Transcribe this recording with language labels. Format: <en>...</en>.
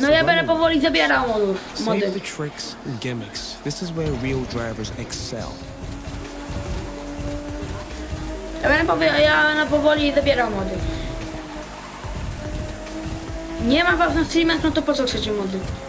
<pl>No ja będę powoli zabierał mody.</pl> <en>Save the tricks and gimmicks. This is where real drivers excel.</en> <pl>Ja będę powoli zabierał mody. Nie ma was na streamach, no to po co chcecie mody?</pl>